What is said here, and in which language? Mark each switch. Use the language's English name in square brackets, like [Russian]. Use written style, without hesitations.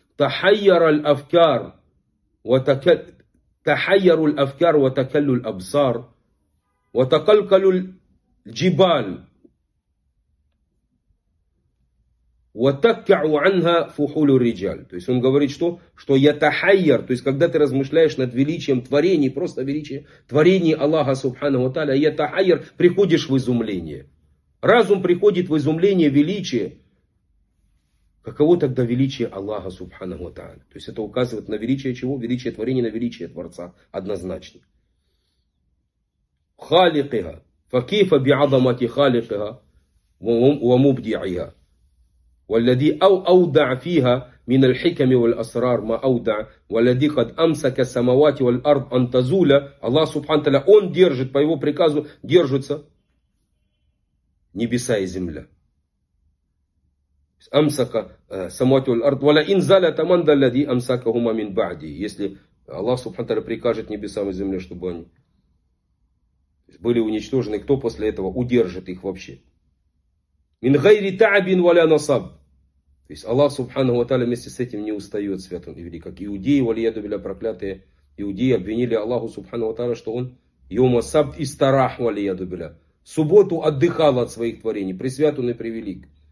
[Arabic] تحير الأفكار تحيروا الأفكار وتكلوا الأبصار وتقلقلوا الجبال وتكعوا عنها فحول الرجال. [Russian] То есть он говорит, что, что я тахайяр, то есть когда ты размышляешь над величием творений, просто величие творений Аллаха Субханаху Таля, я тахайяр, приходишь в изумление. Разум приходит в изумление величия. Каково тогда величие Аллаха Субханаху Таля? То есть это указывает на величие чего? Величие творений, на величие Творца. Однозначно. Халикига. Факифа биадамати халикига. Вамубдиига. [Arabic] والذي أودع فيها من الحكم والأسرار ما أودع والذي قد أمسك السماوات والأرض أن تزول. [Russian] الله سبحانه وتعالى он держит, по его приказу держатся небеса и земля. [Arabic] أمسك السماوات والأرض ولا إن زالت من الذي أمسكهما من بعده. [Russian] Если Аллах سبحانه وتعالى прикажет небесам и земле, чтобы они были уничтожены, кто после этого удержит их вообще? [Arabic] من غير تعب ولا نصب. [Russian] То есть Аллах Субхану ва Таля вместе с этим не устает, святым и великим. Иудеи, валияду билля, проклятые иудеи, обвинили Аллаху Субхану ва Таля, что он йома сабт и старах, валияду билля, субботу отдыхал от своих творений, пресвятый и превелик.